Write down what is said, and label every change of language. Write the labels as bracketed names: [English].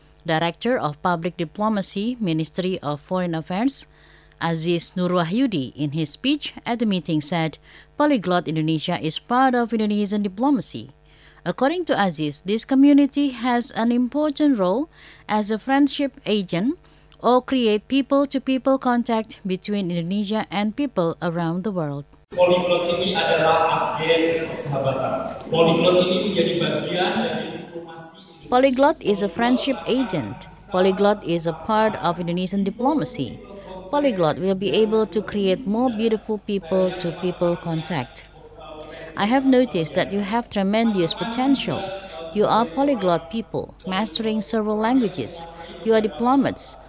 [English] Director of Public Diplomacy, Ministry of Foreign Affairs, Aziz Nurwahyudi, in his speech at the meeting said, Polyglot Indonesia is part of Indonesian diplomacy. According to Aziz, this community has an important role as a friendship agent or create people-to-people contact between Indonesia and people around the world. [Indonesian] Polyglot ini adalah agen persahabatan. Polyglot ini menjadi bagian dari diplomasi. [English] Polyglot is a friendship agent. Polyglot is a part of Indonesian diplomacy. Polyglot will be able to create more beautiful people-to-people contact. I have noticed that you have tremendous potential. You are polyglot people, mastering several languages. You are diplomats.